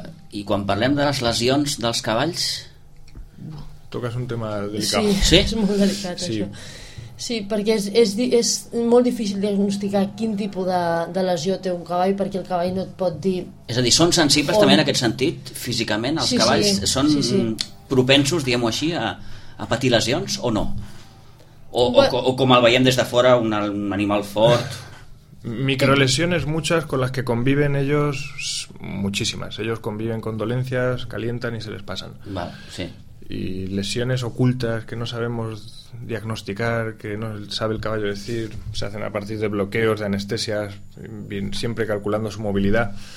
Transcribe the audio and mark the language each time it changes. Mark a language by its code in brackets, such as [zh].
[es] Y cuando hablamos de las lesiones de los caballos, tocas un tema delicado. Sí, es muy delicado. Sí. [ca] Sí, perquè és molt difícil diagnosticar quin tipus de lesió té un cavall, perquè el cavall no et pot dir... És a dir, són sensibles també en aquest sentit, físicament, els cavalls? Sí, són propensos, diguem-ho així, a patir lesions o no? O com el veiem des de fora, un animal fort... [es] Microlesiones muchas con las que conviven ellos, muchísimas. Ellos conviven con dolencias, calientan y se les pasan. Vale, sí. Y lesiones ocultas que no sabemos diagnosticar, que no sabe el caballo decir, se hacen a partir de bloqueos, de anestesias, siempre calculando su movilidad.